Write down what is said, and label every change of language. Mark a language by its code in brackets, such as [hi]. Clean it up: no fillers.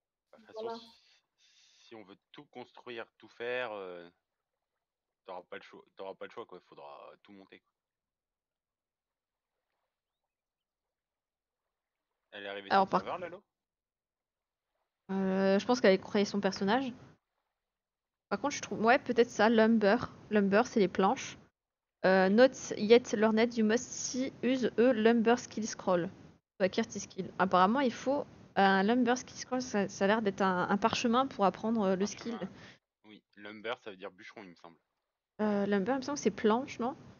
[fr] Façon, si on veut tout construire, tout faire, t'auras pas le choix quoi, il faudra tout monter. Elle est arrivée sur le Alors par serveur, Lalo? je pense qu'elle a créé son personnage. Par contre, je trouve, ouais, peut-être ça, lumber. Lumber, c'est les planches. [en] Not yet learned, you must see use a lumber skill scroll. [fr] Acquire tes skills. Apparemment, il faut un lumber skill scroll, ça a l'air d'être un parchemin pour apprendre le skill. Parchemin, oui, lumber ça veut dire bûcheron, il me semble. Lumber, il me semble que c'est planche, non?